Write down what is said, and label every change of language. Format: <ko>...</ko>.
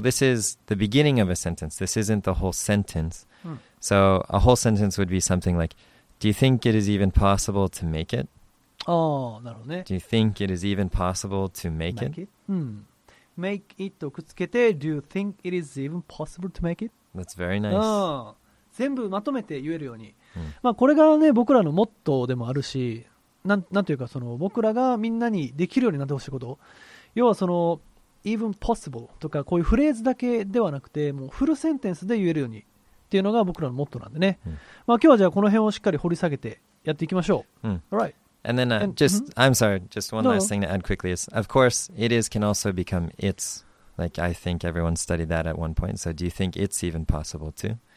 <en>This is the beginning of a sentence. This isn't the whole sentence.、So a whole sentence would be something like, do you think it is even possible to make it?</en> <ja>ああ、なるほどね。</ja> <en>Do you think it is even possible to make it?</en> <ja>Make it をくっつけて、</ja> <en>Do you think it is even possible to make it? That's very nice.</en> <ja>全部まとめて言えるように。まあ、これがね、僕らのモットーでもあるし、なんというか、その僕らがみんなにできるようになってほしいこと。要はその、even possible とか、こういうフレーズだけではなくて、もうフルセンテンスで言えるようにっていうのが僕らのモットーなんでね。まあ、今日はじゃあこの辺をしっかり掘り下げてやっていきましょう。</ja> <en>Alright. And then I'm sorry, just one last thing to add quickly is, of course, it is can also become it's. Like, I think everyone studied that at one point. So do you think it's even possible too?</en>